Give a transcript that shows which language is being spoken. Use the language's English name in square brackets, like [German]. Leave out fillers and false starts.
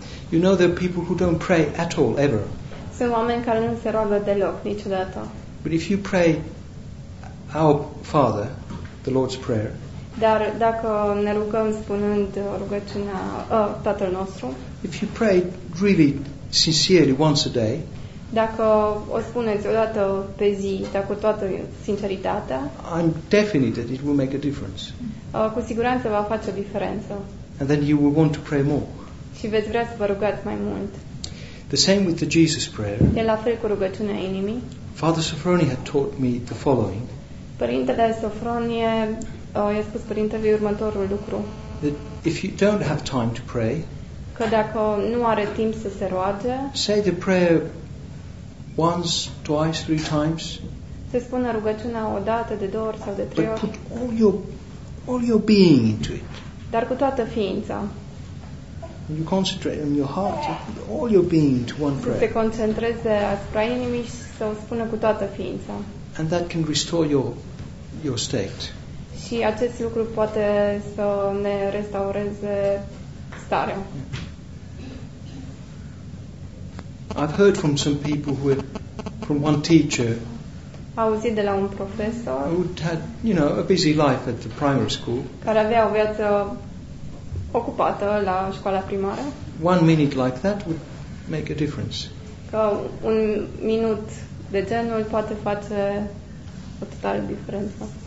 [English] You know, there are people who don't pray at all, ever. [Romanian] Sunt oameni care nu se roagă deloc, niciodată. [English] But if you pray our Father, the Lord's Prayer, [Romanian] dar dacă ne rugăm spunând rugăciunea Tatăl nostru, [English] if you pray really sincerely once a day, [Romanian] dacă o spuneți o dată pe zi, dar cu toată sinceritatea, [English] I'm definite that it will make a difference. [Romanian] Cu siguranță va face o diferență. [English] And then you will want to pray more. [Romanian] Și veți vrea să vă rugați mai mult. [English] The same with the Jesus prayer. [Romanian] E la fel cu rugăciunea inimii. [English] Father Sophronie had taught me the following. [Romanian] Părintele Sophronie i-a spus părintelui următorul lucru. [English] That if you don't have time to pray, [Romanian] că dacă nu are timp să se roage, [English] say the prayer once, twice, three times. [Romanian] Se spune rugăciunea o dată, de două ori sau de trei ori. [English] But put all your being into it. [Romanian] Dar cu toată ființa. [English] You concentrate on your heart, all your being into one prayer. [Romanian] Să se concentreze asupra inimii și să o spună cu toată ființa. [English] And that can restore your state. [Romanian] Și acest lucru poate să ne restaureze starea. [English] Yeah. I've heard from some people who, from one teacher, [Romanian] auzit de la un profesor [English] who had, you know, a busy life at the primary school, [Romanian] care avea o viață ocupată la școala primară, [English] one minute like that would make a difference. [Romanian] Că un minut de genul poate face o totală diferență.